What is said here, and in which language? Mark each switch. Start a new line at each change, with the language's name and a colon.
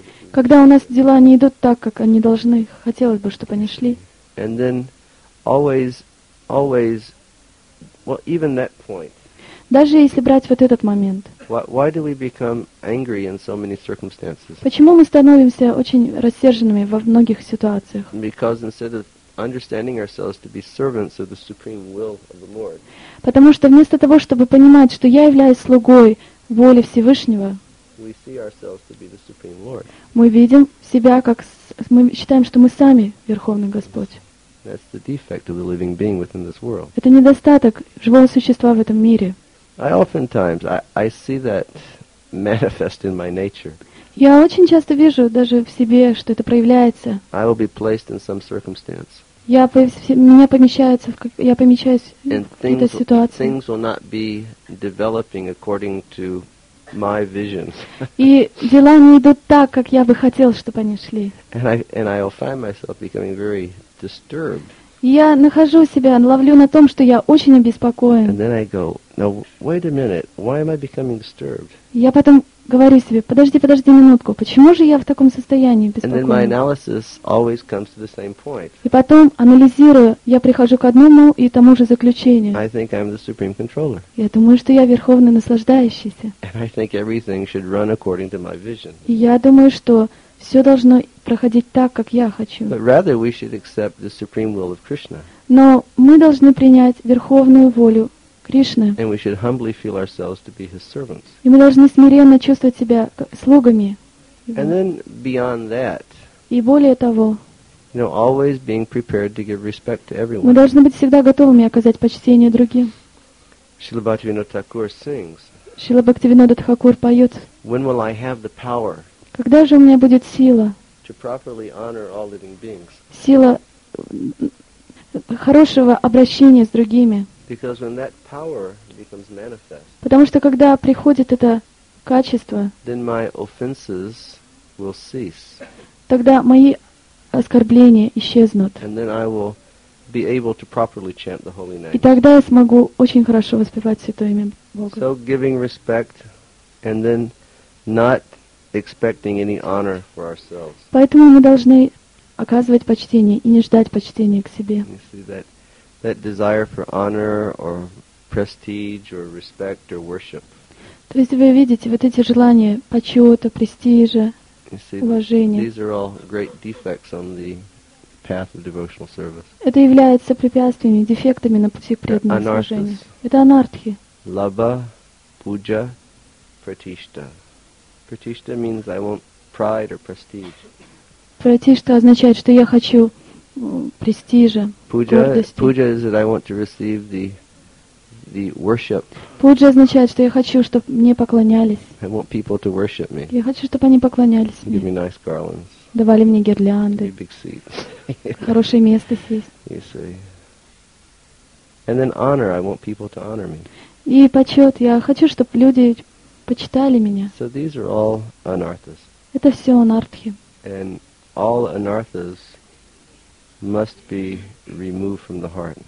Russian: Когда у нас дела не идут так, как они должны, хотелось бы, чтобы они шли.
English: And then always, well, even that point.
Russian: Даже если брать вот этот момент.
English: Why do we become angry in so many circumstances?
Russian: Почему мы становимся очень рассерженными во многих ситуациях?
English: Because instead of understanding ourselves to be servants of the supreme will of the Lord.
Russian: Потому что вместо того, чтобы понимать, что я являюсь слугой воли Всевышнего,
English: we see ourselves to be the supreme Lord.
Russian: Мы видим себя как мы считаем, что мы сами верховный Господь.
English: That's the defect of the living being within this world.
Russian: Это недостаток живого существа в этом мире.
English: I see that manifest in my nature.
Russian: Я очень часто вижу даже в себе, что это проявляется.
English: I will be placed in some circumstance.
Russian: Я помещаюсь в какой-то ситуации.
English: Things will not be developing according to my vision.
Russian: И дела не идут так, как я бы хотел, чтобы они шли.
English: And I will find myself becoming very disturbed.
Russian: Я нахожу себя, ловлю на том, что я очень обеспокоен.
English: And then I go, now wait a minute, why am I becoming disturbed?
Russian: Я потом говорю себе, подожди минутку, почему же я в таком состоянии беспокоен?
English: And then my analysis always comes to the same point.
Russian: И потом, анализируя, я прихожу к одному и тому же заключению.
English: I think I'm the supreme controller.
Russian: Я думаю, что я верховный наслаждающийся.
English: And I think everything should run according to my vision.
Russian: И я думаю, что все должно проходить так, как я хочу.
English: But rather we should accept the supreme will of Krishna.
Russian: Но мы должны принять верховную волю Кришны.
English: And we should humbly feel ourselves to be his servants.
Russian: И мы должны смиренно чувствовать себя слугами.
English: And then beyond that.
Russian: И более того.
English: You know, always being prepared to give respect to everyone.
Russian: Мы должны быть всегда готовыми оказать почтение другим.
English: Шрила Бхактивинода Тхакур sings.
Russian: Шрила Бхактивинода Тхакур поет.
English: When will I have the power?
Russian: Когда же у меня будет сила?
English: To properly honor all living beings.
Russian: Сила хорошего обращения с другими.
English: Because when that power becomes manifest,
Russian: потому что когда приходит это качество,
English: then my offenses will cease.
Russian: Тогда мои оскорбления исчезнут.
English: And then I will be able to properly chant the holy name.
Russian: И тогда я смогу очень хорошо воспевать Святое Имя Бога.
English: So giving respect and then not expecting any honor for ourselves.
Russian: Поэтому мы должны оказывать почтение и не ждать почтения к себе.
English: That desire for honor or prestige or respect or worship.
Russian: То есть вы видите вот эти желания почета, престижа, уважения.
English: These are all great defects on the path of devotional service.
Russian: Это является препятствиями, дефектами на пути к преданному служению. Это анартхи.
Sanskrit: Лаба, пуджа, пратишта.
English: Pratishta means I want pride or prestige.
Russian: Pratishta означает, что я хочу престижа,
Sanskrit: puja,
Russian: гордости.
English: Puja is that I want to receive the worship.
Russian: Puja означает, что я хочу, чтобы мне поклонялись.
English: I want people to worship me.
Russian: Я хочу, чтобы они поклонялись мне.
English: Give me nice garlands.
Russian: Давали мне гирлянды.
English: Big seats.
Russian: Хорошее место сесть.
English: You see. And then honor. I want people to honor me.
Russian: И почет. Я хочу, чтобы люди почитали меня.
English: So these are all anarthas.
Russian: Это все анартхи.
English: And all anarthas must be removed from the heart.